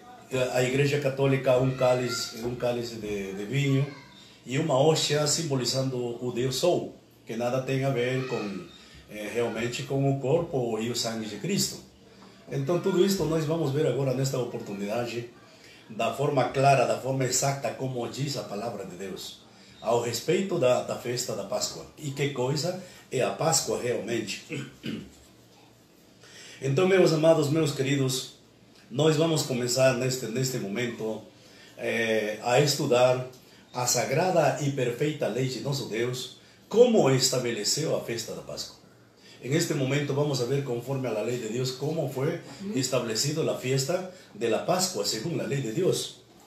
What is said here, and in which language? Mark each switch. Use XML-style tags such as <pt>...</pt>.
<es>La Iglesia Católica un cáliz de vino y una hostia simbolizando el Dios Sol, que nada tiene a ver con realmente con el cuerpo y el sangre de Cristo. Entonces, todo esto nos vamos a ver ahora en esta oportunidad, de forma clara, de forma exacta, como dice la palabra de Dios, al respecto de la fiesta de Pascua. ¿Y qué cosa es la Pascua realmente?</es> <pt>Entonces, meus amados, meus queridos, nós vamos começar neste momento a estudar a sagrada e perfeita lei de nosso Deus, como estabeleceu a festa da Páscoa.</pt> <es>En este momento vamos a ver, conforme a la ley de Dios, cómo fue establecido la fiesta de la Pascua según la ley de Dios.</es>